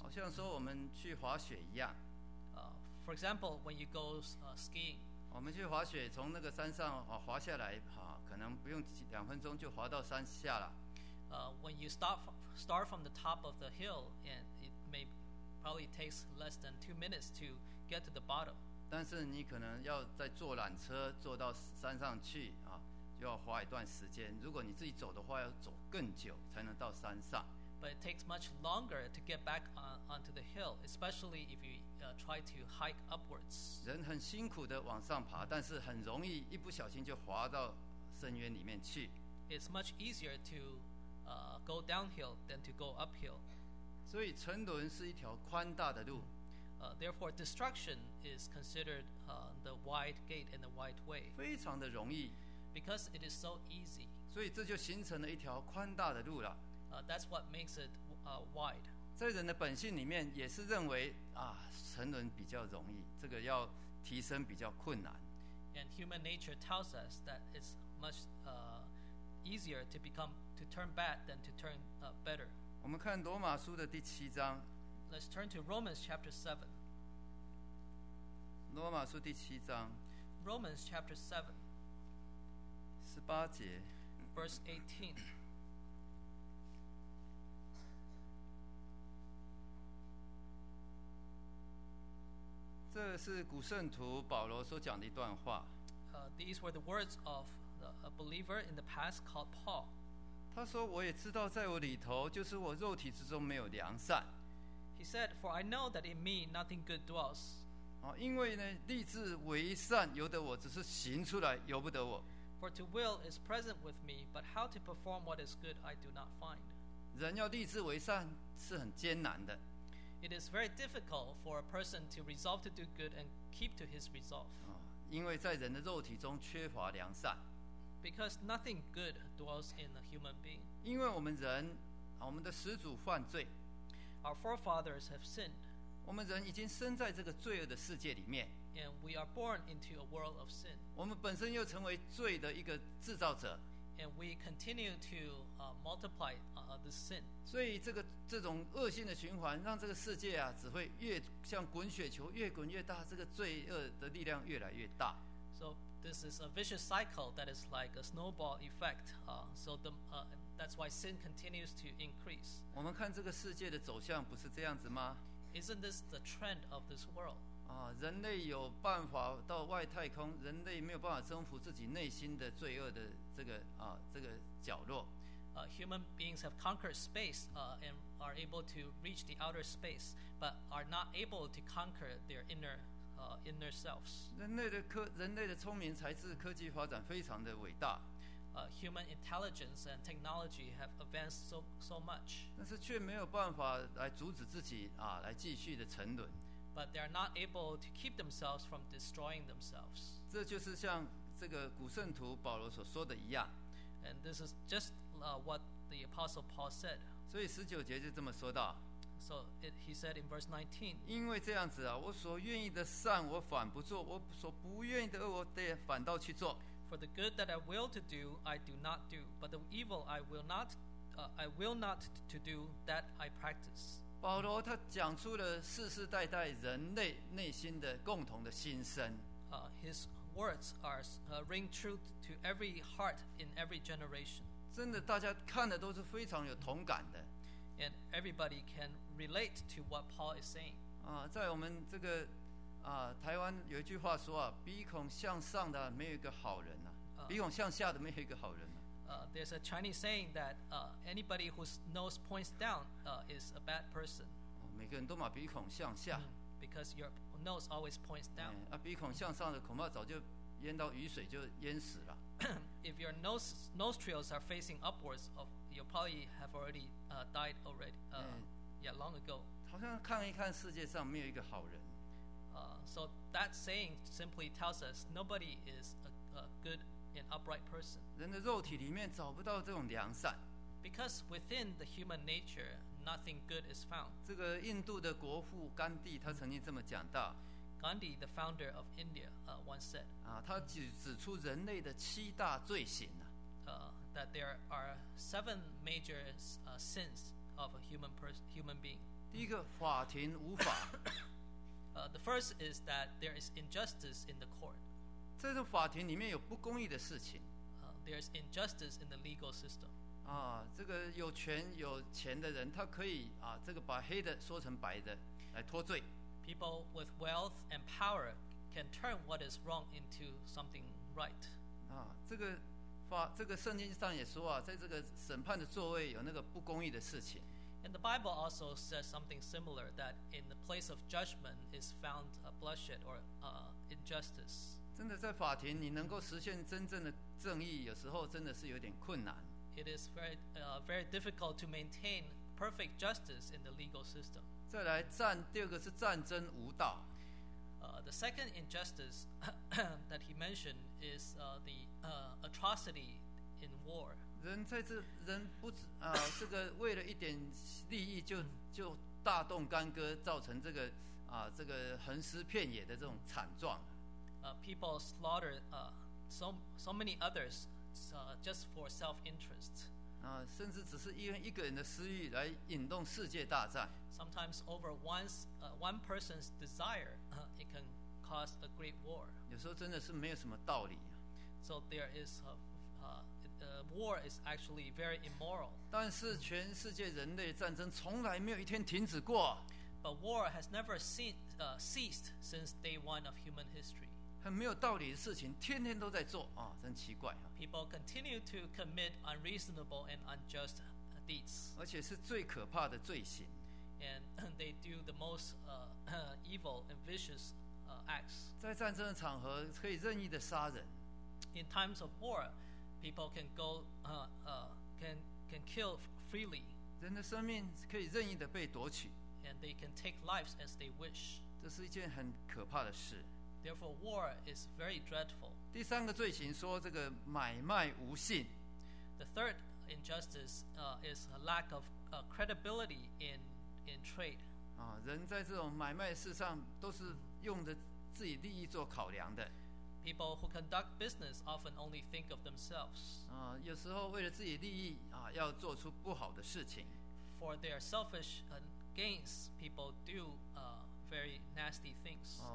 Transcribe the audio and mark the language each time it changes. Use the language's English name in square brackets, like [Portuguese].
[Chinese] 好像说我们去滑雪一样。 [English] For example, when you go skiing. [Chinese] 我们去滑雪，从那个山上滑下来，可能不用两分钟就滑到山下了。 [English] When you start from the top of the hill, and it may probably takes less than 2 minutes to get to the bottom. [Chinese] 但是你可能要再坐缆车坐到山上去就要花一段时间。如果你自己走的话，要走更久才能到山上。 [English] But it takes much longer to get back onto the hill, especially if you try to hike upwards. [Chinese] 人很辛苦地往上爬，但是很容易一不小心就滑到深渊里面去。 [English] It's much easier to go downhill than to go uphill. [Chinese] 所以沉沦是一条宽大的路。 [English] Therefore, destruction is considered the wide gate and the wide way. [Chinese] 非常的容易。 [English] Because it is so easy. [Chinese] 所以这就形成了一条宽大的路了。 [English] That's what makes it wide. [Chinese] 在人的本性里面也是认为沉沦比较容易，这个要提升比较困难。 [English] And human nature tells us that it's much easier to become to turn bad than to turn better. [Chinese] 我们看罗马书的第七章。 [English] Let's turn to Romans chapter 7. [Chinese] 罗马书第七章。 [English] Romans chapter 7. [Chinese] 十八节。 [English] Verse 18. [Chinese] 这是古圣徒保罗所讲的一段话。 [English] These were the words of a believer in the past called Paul. [Chinese] 他说：“我也知道，在我里头，就是我肉体之中没有良善。” [English] He said, "For I know that in me nothing good dwells." [Chinese] 因为呢，立志为善由得我，只是行出来由不得我。 [English] For to will is present with me, but how to perform what is good I do not find. [Chinese] 人要立志为善是很艰难的。 [English] It is very difficult for a person to resolve to do good and keep to his resolve. [Chinese] 因为在人的肉体中缺乏良善。 [English] Because nothing good dwells in a human being. [Chinese] 因为我们人，我们的始祖犯罪。 [English] Our forefathers have sinned. [Chinese] 我们人已经生在这个罪恶的世界里面。 [English] And we are born into a world of sin. [Chinese] 我们本身又成为罪的一个制造者。 [English] And we continue to multiply the sin. [Chinese] 所以这种恶性的循环，让这个世界只会越像滚雪球，越滚越大，这个罪恶的力量越来越大。 [English] So this is a vicious cycle that is like a snowball effect. That's why sin continues to increase. [Chinese] 我们看这个世界的走向不是这样子吗 [English] Isn't this the trend of this world? [Chinese] 啊，人类有办法到外太空，人类没有办法征服自己内心的罪恶的这个啊这个角落。 [English] Human beings have conquered space and are able to reach the outer space, but are not able to conquer their inner selves. [Chinese] 人类的聪明才智科技发展非常的伟大。 [English] Human intelligence and technology have advanced so much. [Chinese] 但是却没有办法来阻止自己啊，来继续的沉沦。 [English] But they are not able to keep themselves from destroying themselves. [Chinese] 这就是像这个古圣徒保罗所说的一样。 [English] And this is just what the apostle Paul said. [Chinese] 所以十九节就这么说到。 [English] So he said in verse 19. [Chinese] 因为这样子啊，我所愿意的善我反不做，我所不愿意的恶我得反倒去做。 [English] For the good that I will to do, I do not do, but the evil I will not do that I practice. [Chinese] 保罗他讲出了世世代代人类内心的共同的心声。 [English] His words are ring true to every heart in every generation. [Chinese] 真的，大家看的都是非常有同感的。 [English] And everybody can relate to what Paul is saying. [Chinese] 啊，在我们这个。台湾有一句话说啊，鼻孔向上的没有一个好人啊，鼻孔向下的没有一个好人啊。 [English] There's a Chinese saying that anybody whose nose points down is a bad person. [Chinese] 每个人都嘛鼻孔向下。 [English] Because your nose always points down. [Chinese] 鼻孔向上的恐怕早就淹到雨水就淹死了。 [English] If your nostrils are facing upwards, you probably have already died already. Yeah, long ago. [Chinese] 好像看一看世界上没有一个好人。 [English] So that saying simply tells us nobody is a good and upright person. [Chinese] 人的肉体里面找不到这种良善。 [English] Because within the human nature, nothing good is found. [Chinese] 这个印度的国父甘地他曾经这么讲到。 [English] Gandhi, the founder of India, once said. [Chinese] 他指出人类的七大罪行啊。 [English] That there are seven major sins of a human being. [Chinese] 第一个，法庭无法。 [English] The first is that there is injustice in the court. [Chinese] 这种法庭里面有不公义的事情。 [English] There is injustice in the legal system. [Chinese] 这个有权有钱的人，他可以这个把黑的说成白的来脱罪。 [English] People with wealth and power can turn what is wrong into something right. [Chinese] 这个圣经上也说啊，在这个审判的座位有那个不公义的事情。 [English] And the Bible also says something similar, that in the place of judgment is found a bloodshed or injustice. [Chinese] 真的在法庭你能够实现真正的正义，有时候真的是有点困难。 [English] It is very difficult to maintain perfect justice in the legal system. [Chinese] 再来战，第二个是战争无道。 [English] The second injustice that he mentioned is the atrocity in war. [Chinese] 人在这，人不止这个为了一点利益就大动干戈，造成这个这个横尸遍野的这种惨状。 [English] People slaughter so many others just for self-interest. [Chinese] 甚至只是因为一个人的私欲来引动世界大战。 [English] Sometimes over one person's desire, it can cause a great war. [Chinese] 有时候真的是没有什么道理。 [English] So there is a war is actually very immoral. [Chinese] 但是全世界人类战争从来没有一天停止过。 [English] But war has never ceased since day one of human history. [Chinese] 很没有道理的事情天天都在做啊，真奇怪啊。 [English] People continue to commit unreasonable and unjust deeds. [Chinese] 而且是最可怕的罪行。 [English] And they do the most evil and vicious acts. [Chinese] 在战争的场合可以任意的杀人。 [English] In times of war,People can go, can kill freely. [Chinese] 人的生命可以任意的被夺取。 [English] And they can take lives as they wish. [Chinese] 这是一件很可怕的事。 [English] Therefore, war is very dreadful. [Chinese] 第三个罪行说这个买卖无信。 [English] The third injustice, is a lack of credibility in trade. [Chinese] 人在这种买卖事上都是用着自己利益做考量的。 [English] People who conduct business often only think of themselves. [Chinese] 有时候为了自己利益要做出不好的事情。 [English] For their selfish gains, people do very nasty things.